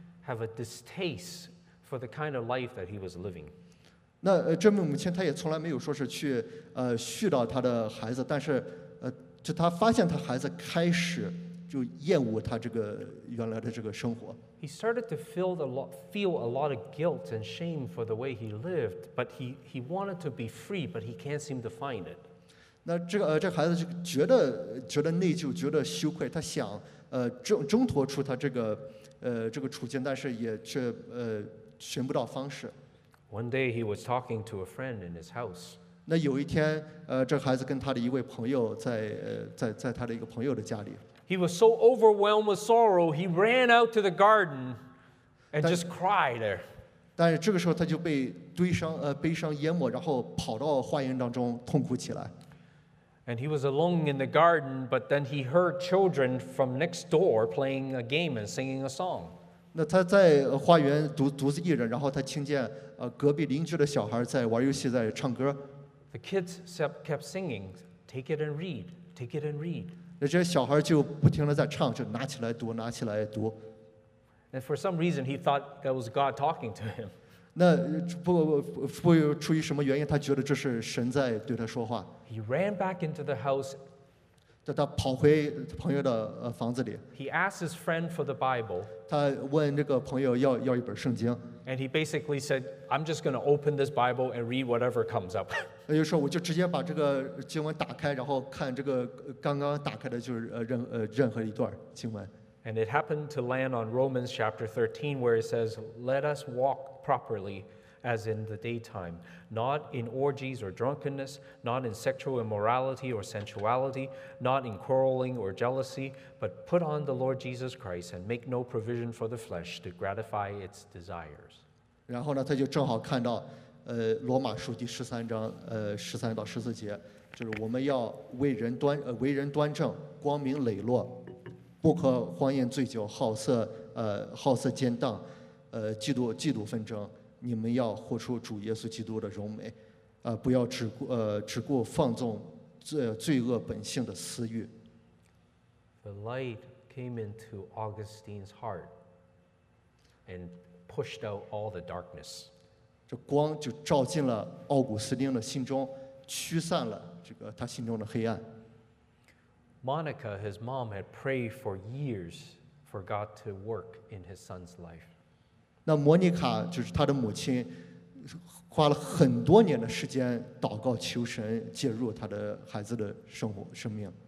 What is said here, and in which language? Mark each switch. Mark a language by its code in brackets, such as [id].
[en] Have a distaste for the kind of life that he was living. [zh] 那这位母亲她也从来没有说是去絮叨她的孩子，但是就她发现她孩子开始就厌恶她这个原来的这个生活。 [en] He started to feel a lot of guilt and shame for the way he lived, but he wanted to be free, but he can't seem to find it. [zh] 那这孩子就觉得内疚，觉得羞愧，他想挣脱出他这个。这个处境，但是也却寻不到方式。 [en] One day he was talking to a friend in his house. [zh] 那有一天，这孩子跟他的一位朋友在他的一个朋友的家里。 [en] He was so overwhelmed with sorrow, he ran out to the garden and just cried there. [zh] 但是这个时候他就被悲伤淹没，然后跑到花园当中痛哭起来。 [en] And he was alone in the garden, but then he heard children from next door playing a game and singing a song. [zh] 那他在花园独自一人，然后他听见隔壁邻居的小孩在玩游戏，在唱歌。 [en] The kids kept singing, "Take it and read, take it and read." [zh] 那这些小孩就不停的在唱，就拿起来读，拿起来读。 [en] And for some reason, he thought that was God talking to him. [zh] 那不出于什么原因，他觉得这是神在对他说话。 [en] He ran back into the house. [zh] 他跑回朋友的房子里。 [en] He asked his friend for the Bible. [zh] 他问这个朋友要一本圣经。 [en] And he basically said, "I'm just going to open this Bible and read whatever comes up." [zh] 他就说我就直接把这个经文打开，然后看这个刚刚打开的就是任何一段经文。 [en] And it happened to land on Romans chapter 13, where it says, "Let us walk properly." As in the daytime, not in orgies or drunkenness, not in sexual immorality or sensuality, not in quarreling or jealousy, but put on the Lord Jesus Christ and make no provision for the flesh to gratify its desires. [zh] 然后呢，他就正好看到，罗马书第十三章十三到十四节，就是我们要为人端为人端正，光明磊落，不可荒宴醉酒，好色奸荡，嫉妒纷争。你们要活出主耶稣基督的荣美，不要只顾放纵罪恶本性的私欲。 [en] The light came into Augustine's heart and pushed out all the darkness. [zh] 这光就照进了奥古斯丁的心中，驱散了这个他心中的黑暗。 [en] Monica, his mom, had prayed for years for God to work in his son's life. [zh] 那莫妮卡就是他的母亲，花了很多年的时间祷告求神介入他的孩子的生命。